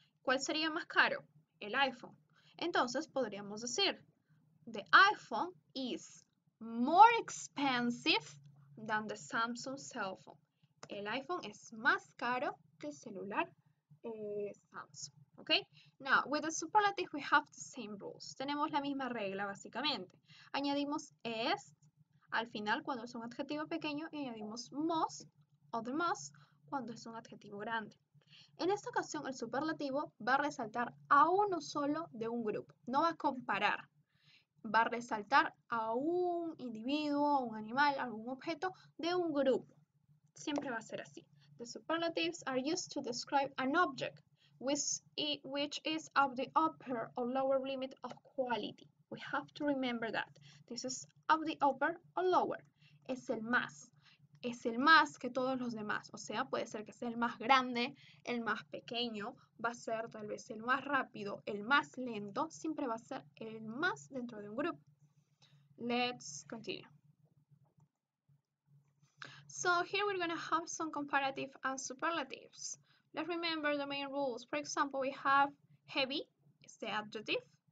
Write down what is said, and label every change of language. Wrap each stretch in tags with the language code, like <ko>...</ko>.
<es>¿Cuál sería más caro? El iPhone. Entonces, podríamos decir,</es> <en>the iPhone is more expensive than the Samsung cell phone.</en> <es>El iPhone es más caro que el celular Samsung.</es> <en>Okay? Now, with the superlative, we have the same rules.</en> <es>Tenemos la misma regla, básicamente. Añadimos est al final cuando es un adjetivo pequeño y añadimos most o the most cuando es un adjetivo grande. En esta ocasión, el superlativo va a resaltar a uno solo de un grupo. No va a comparar. Va a resaltar a un individuo, a un animal, a algún objeto de un grupo. Siempre va a ser así.</es> <en>The superlatives are used to describe an object which is of the upper or lower limit of quality. We have to remember that. This is of the upper or lower.</en> <es>Es el más. Es el más que todos los demás. O sea, puede ser que sea el más grande, el más pequeño. Va a ser tal vez el más rápido, el más lento. Siempre va a ser el más dentro de un grupo.</es> <en>Let's continue. So, here we're going to have some comparative and superlatives. Let's remember the main rules. For example, we have heavy, is the adjective.</en>